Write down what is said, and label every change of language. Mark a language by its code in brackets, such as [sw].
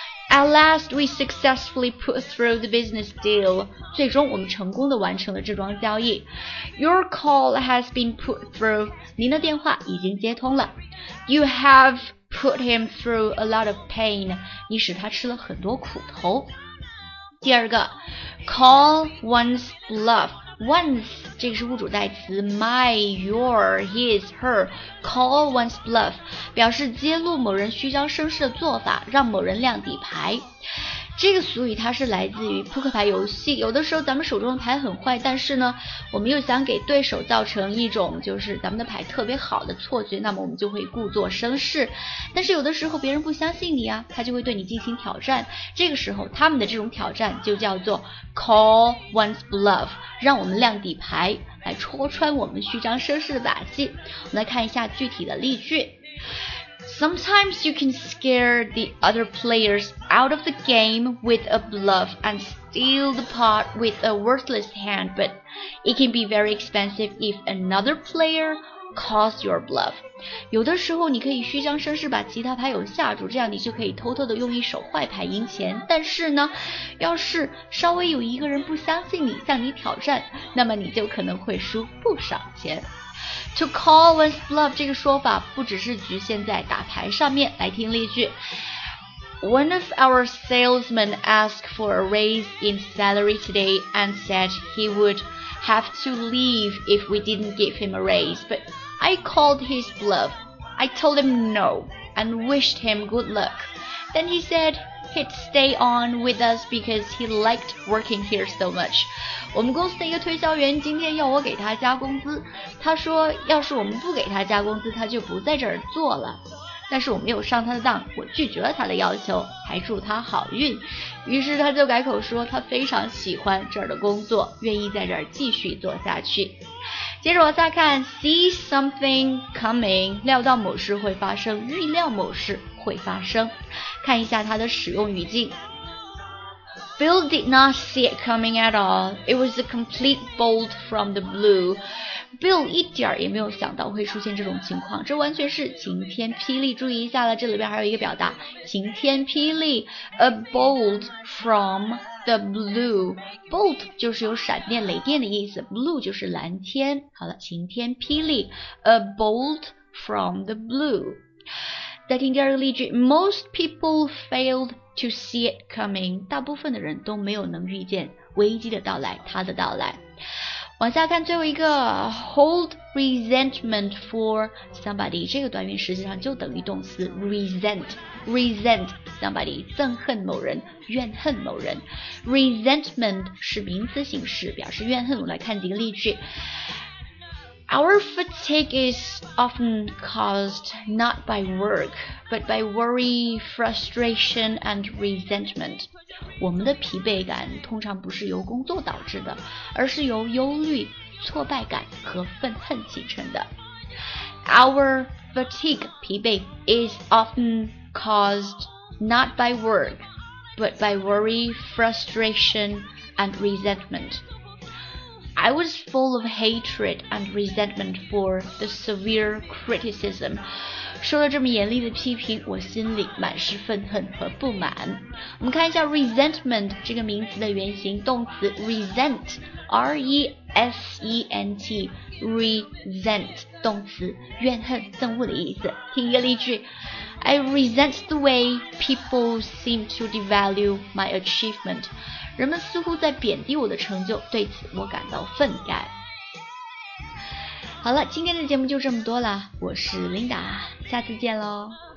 [en] At last, we successfully put through the business deal. [zh] 最终我们成功地完成了这桩交易。 [en] Your call has been put through. [zh] 您的电话已经接通了。 [en] You have put him through a lot of pain. [zh] 你使他吃了很多苦头。第二个， [en] call one's bluff。 [zh] Once 这个是物主代词 my, your, his, her。 Call one's bluff 表示揭露某人虚张声势的做法，让某人亮底牌。这个俗语它是来自于扑克牌游戏，有的时候咱们手中的牌很坏，但是呢我们又想给对手造成一种就是咱们的牌特别好的错觉，那么我们就会故作声势。但是有的时候别人不相信你啊，他就会对你进行挑战，这个时候他们的这种挑战就叫做 [en] call one's bluff， [zh] 让我们亮底牌来戳穿我们虚张声势的把戏。我们来看一下具体的例句。 [en] Sometimes you can scare the other players out of the game with a bluff and steal the pot with a worthless hand, but it can be very expensive if another player calls your bluff. [zh] 有的时候你可以虚张声势把其他牌友吓住，这样你就可以偷偷的用一手坏牌赢钱。但是呢，要是稍微有一个人不相信你，向你挑战，那么你就可能会输不少钱。 [en] To call one's bluff [zh] 这个说法不只是局限在打牌上面。来听例句。 [en] One of our salesmen asked for a raise in salary today and said he would have to leave if we didn't give him a raise, but I called his bluff. I told him no and wished him good luck. Then he said he'd stay on with us because he liked working here so much. [zh] 我们公司的一个推销员今天要我给他加工资，他说要是我们不给他加工资，他就不在这儿做了。但是我没有上他的当，我拒绝了他的要求，还祝他好运。于是他就改口说他非常喜欢这儿的工作，愿意在这儿继续做下去。接着我再看 [en] see something coming， [zh] 料到某事会发生，预料某事会发生。看一下它的使用语境。 [en] Bill did not see it coming at all. It was a complete bolt from the blue. [zh] Bill 一点也没有想到会出现这种情况，这完全是晴天霹雳。注意一下了，这里边还有一个表达，晴天霹雳。 [en] A bolt from the blue. [zh] Bolt 就是有闪电雷电的意思， blue 就是蓝天。好了，晴天霹雳， [en] A bolt from the blue。 [zh] 再听第二个例句。 [en] Most people failedTo see it coming， [zh] 大部分的人都没有能预见危机的到来，他的到来。往下看最后一个， [en] hold resentment for somebody， [zh] 这个短语实际上就等于动词 [en] resent somebody， [zh] 憎恨某人，怨恨某人。 resentment 是名词形式，表示怨恨。我们来看几个例句。 [en] Our fatigue is often caused not by work, but by worry, frustration, and resentment. [zh] 我们的疲惫感通常不是由工作导致的，而是由忧虑、挫败感和愤恨形成的。 [en] Our fatigue, [zh] 疲惫, [en] is often caused not by work, but by worry, frustration, and resentment. I was full of hatred and resentment for the severe criticism. [zh] 受了这么严厉的批评，我心里满是愤恨和不满。我们看一下 resentment 这个名词的原型动词 resent, R-E-S-E-N-T, resent, 动词怨恨憎恶的意思。听一个例句， [en] I resent the way people seem to devalue my achievement. [zh] 人们似乎在贬低我的成就，对此我感到愤慨。好了，今天的节目就这么多了，我是琳达，下次见喽。